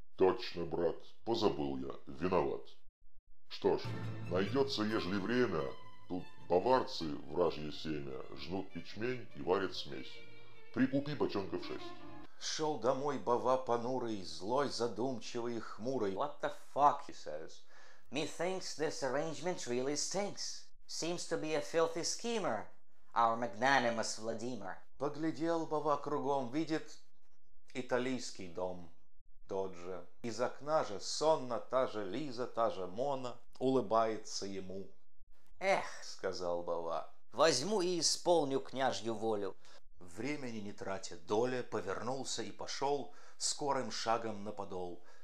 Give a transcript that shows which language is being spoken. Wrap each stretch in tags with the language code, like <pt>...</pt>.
<ru>Точно, брат, позабыл я, виноват. Что ж, найдется, ежели время, тут баварцы вражье семя жнут ячмень и варят смесь. Прикупи бочонков 6. Шел домой бава понурый, злой, задумчивый и хмурый.</ru> <en>What the fuck, he says. Methinks this arrangement really stinks. Seems to be a filthy schemer, our magnanimous Владимир.</en> <ru>Поглядел бава кругом, видит италийский дом тот же. Из окна же сонно та же Лиза, та же Мона улыбается ему. Эх, сказал бава, возьму и исполню княжью волю. Времени не тратя доля, повернулся и пошел скорым шагом на подол.</ru>